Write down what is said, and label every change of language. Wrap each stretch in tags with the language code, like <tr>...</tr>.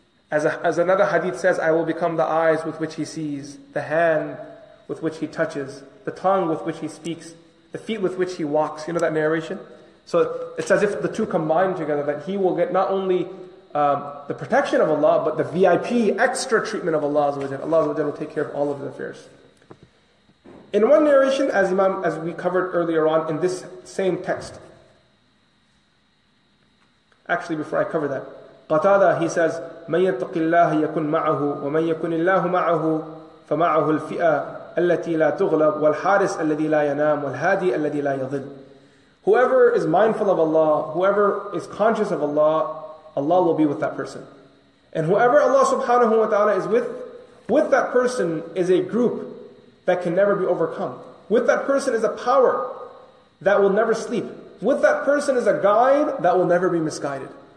<en>As another hadith says, I will become the eyes with which he sees, the hand with which he touches, the tongue with which he speaks, the feet with which he walks. You know that narration? So it's as if the two combine together, that he will get not only the protection of Allah, but the VIP, extra treatment of Allah Azza wa Jalla. Allah Azza wa Jalla will take care of all of his affairs. In one narration, as we covered earlier on, in this same text, actually before I cover that, Qatada, he says,</en> <ar>مَنْ يَتَّقِ اللَّهِ يَكُنْ مَعَهُ وَمَنْ يَكُنِ اللَّهُ مَعَهُ فَمَعَهُ الْفِئَةَ الَّتِي لَا تُغْلَبْ وَالْحَارِسَ الَّذِي لَا يَنَامُ وَالْهَادِي الَّذِي لَا يَظِلْ.</ar> <en>Whoever is mindful of Allah, whoever is conscious of Allah, Allah will be with that person. And whoever Allah subhanahu wa ta'ala is with that person is a group that can never be overcome. With that person is a power that will never sleep. With that person is a guide that will never be misguided.</en>